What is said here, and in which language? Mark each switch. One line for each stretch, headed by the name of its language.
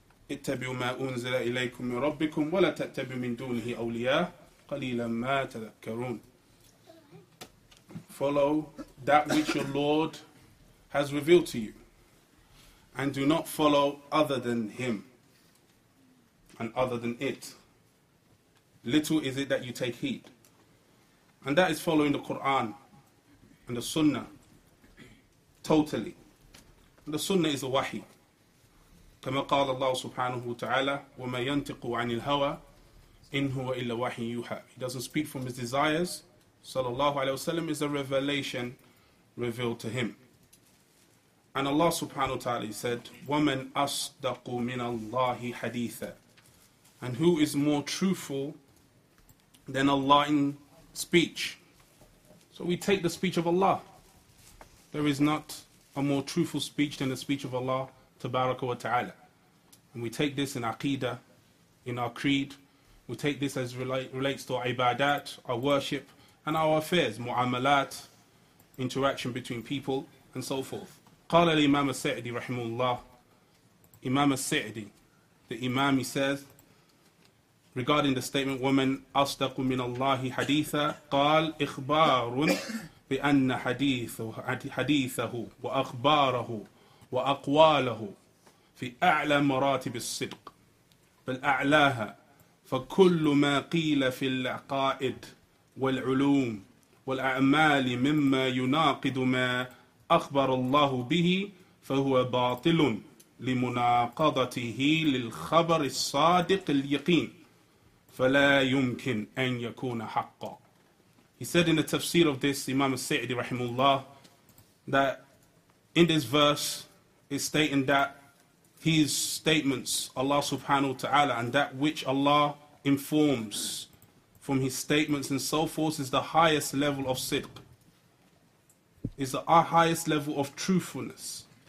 Arabic: اتبعوا ما أنزل إليكم من ربكم ولا تتبعوا من دونه أولياء قليلا ما تذكرون.
English: Follow that which your Lord has revealed to you, and do not follow other than Him and other than it. Little is it that you take heed. And that is following the Quran and the Sunnah totally. And the Sunnah is the Wahi.
Arabic: كما قال الله سبحانه وتعالى وما ينطق عن الهوى إن هو إلا وحي يوحى.
English: He doesn't speak from his desires. صلى الله عليه وسلم is a revelation revealed to him. And Allah
Arabic: سبحانه وتعالى
English: said
Arabic: ومن أصدق من الله حديثا.
English: And who is more truthful than Allah in speech? So we take the speech of Allah. There is not a more truthful speech than the speech of Allah Tabaraka wa ta'ala. And we take this in aqidah, in our creed. We take this as relates to our ibadat, our worship, and our affairs, mu'amalat, interaction between people, and so forth.
Arabic: Qala al-Imam al-Sa'di rahimahullah.
English: Imam al-Sa'di, the Imam, he says, regarding the statement,
Arabic: وَمَنْ أَصْدَقُ مِنَ اللَّهِ حَدِيثًا قَالْ إِخْبَارٌ بِأَنَّ حَدِيثَهُ وَأَخْبَارَهُ وأقواله في أعلى مراتب الصدق بل أعلاها فكل ما قيل في العقائد والعلوم والأعمال مما يناقض ما أخبر الله به فهو باطل لمناقضته للخبر الصادق اليقين فلا يمكن أن يكون حقا.
English: He said in the tafsir of this, Imam al-Sa'di rahimullah, that in this verse is stating that his statements, Allah subhanahu wa ta'ala, and that which Allah informs from his statements and so forth is the highest level of sidq, is the highest level of truthfulness.